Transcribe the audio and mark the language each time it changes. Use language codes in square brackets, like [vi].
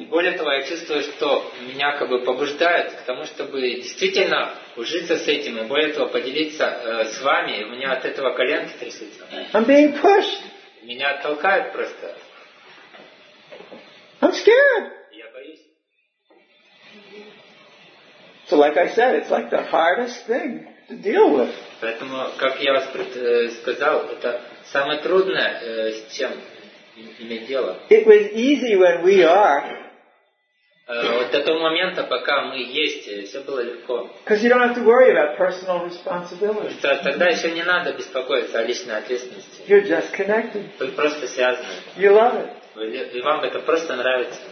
[ru] И более того, я чувствую, что меня как бы побуждают к тому, чтобы действительно ужиться с этим, и более того, поделиться с вами, и у меня от этого коленки трясутся. [en] I'm being pushed. [ru] Меня толкают просто. [en] I'm scared. [ru] Я боюсь. [en] So like I said, it's like the hardest thing to deal with. [ru] Поэтому, как я вас сказал, это самое трудное, с чем [en] it was easy when we are. [ru] Вот до того момента, пока мы есть, все было легко. [en] Because you don't have to worry about personal responsibility. [ru] Что тогда еще не надо беспокоиться о личной ответственности. [en] You're just connected. [ru] Вы просто связаны. [en] You love it. [ru] И вам это просто нравится.